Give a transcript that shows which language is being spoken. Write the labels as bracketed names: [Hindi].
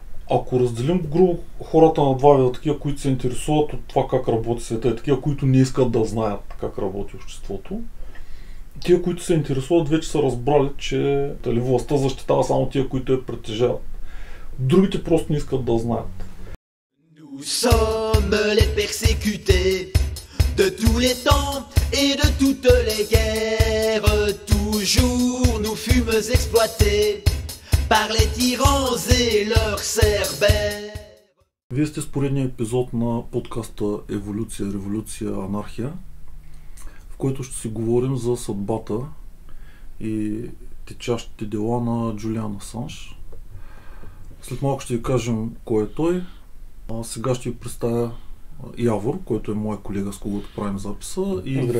[Bulgarian] Ако разделим грубо хората на два вида, такива, които се интересуват от това как работи света, и такива, които не искат да знаят как работи обществото, тия, които се интересуват, вече са разбрали, че дали властта защитава само тия, които я притежават. Другите просто не искат да знаят. [French] Nous sommes les persécutés de tous les temps et de toutes les guerres. Toujours nous fûmes exploités par les tyrans et leurs cerbères. [Bulgarian] Вие сте с поредния епизод на подкаста Еволюция, революция, анархия, в който ще си говорим за съдбата и течащите дела на Джулиан Асанж. След малко ще ви кажем кой е той. Сега ще ви представя Явор, който е моя колега, с когото правим записа, и здравейте.